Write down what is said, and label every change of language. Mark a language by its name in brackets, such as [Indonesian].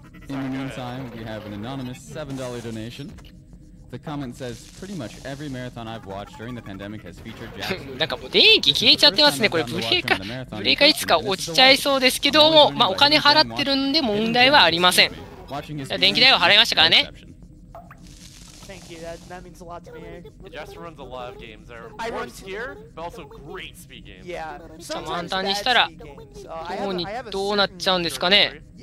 [English] In the meantime, we have an anonymous $7 donation. The comment says, pretty much every marathon I've watched during the pandemic has featured Jackson. [Japanese] なんかもう電気消えちゃってますね。これブレーカーいつか落ちちゃいそうですけども、まあお金払ってるんで問題はありません。電気代は払いましたからね。 [English] Thank you. That means a lot to me. Jasper runs a lot of games. I run here, but also great speed games. Yeah. [Japanese] じゃあ簡単にしたらどうなっちゃうんですかね。